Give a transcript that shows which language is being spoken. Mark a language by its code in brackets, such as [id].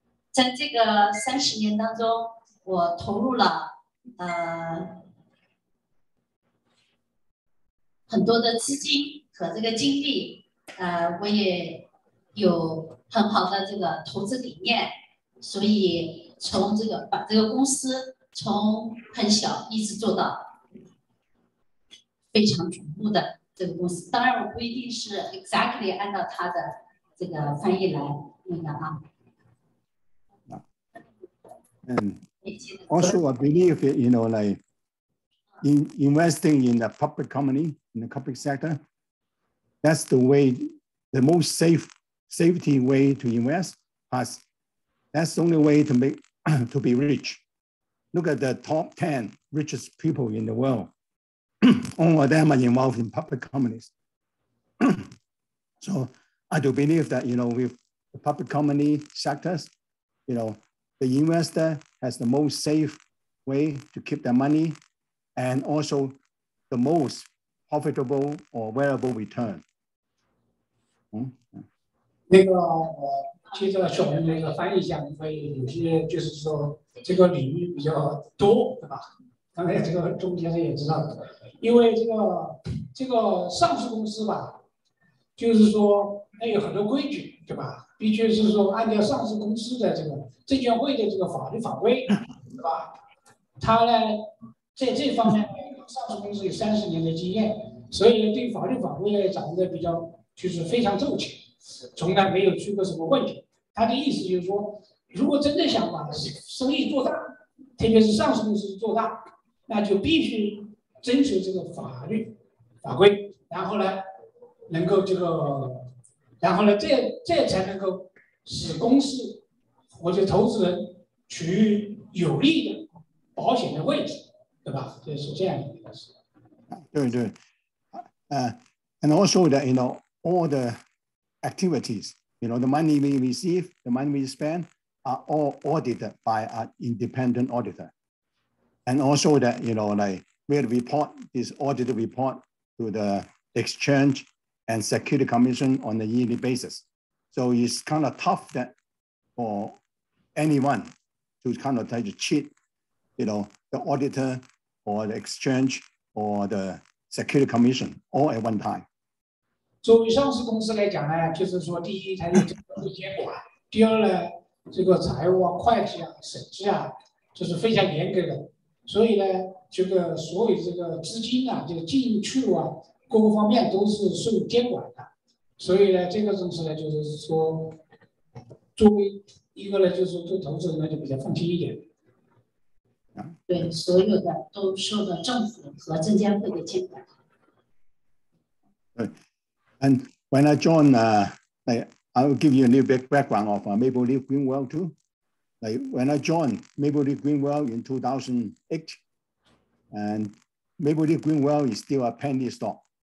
[zh] 在这个三十年当中，我投入了很多的资金和这个精力，我也有很好的这个投资理念，所以从这个把这个公司从很小一直做到非常瞩目的这个公司，当然我不一定是 exactly 按照他的这个翻译来那个啊。 [en] And also, I believe you know, like investing in a public company in the public sector, that's the way, the most safety way to invest. Plus, that's the only way to be rich. Look at the top 10 richest people in the world. All of them are involved in public companies. So I do believe that, you know, with the public company sectors, you know, the investor has the most safe way to keep their money and also the most profitable or variable return. [zh] 那个，接着小明这个翻译一下，可以有些就是说这个领域比较多，对吧？刚才这个钟先生也知道，因为这个上市公司吧，就是说它有很多规矩，对吧？必须是说按照上市公司的这个证监会的这个法律法规，对吧？它呢，在这方面，上市公司有30年的经验，所以对法律访问也讲得比较就是非常重情，从来没有出过什么问题。他的意思就是说，如果真的想把生意做大，特别是上市公司做大，那就必须遵守这个法律法规，然后呢能够这个，然后呢这才能够使公司或者投资人处于有利的保险的位置，对吧？这是这样一个事。对对。 [en] And also that, you know, all the activities, you know, the money we receive, the money we spend are all audited by an independent auditor. And also that, you know, like we'll report this audit report to the exchange and security commission on a yearly basis. So it's kind of tough that for anyone to kind of try to cheat, you know, the auditor or the exchange or the security commission all at one time. [zh] 作为上市公司来讲呢，就是说第一它有这个监管，第二呢这个财务啊会计啊审计啊就是非常严格的，所以呢这个所有这个资金啊这个进出啊各个方面都是受监管的，所以呢这个东西呢就是说作为一个呢就是对投资人呢就比较放心一点，对所有的都受到政府和证监会的监管。 [en] 对，and when I joined, I will give you a little bit background of Maple Leaf Greenwell too. Like when I joined Maple Leaf Greenwell in 2008, and Maple Leaf Greenwell is still a penny stock.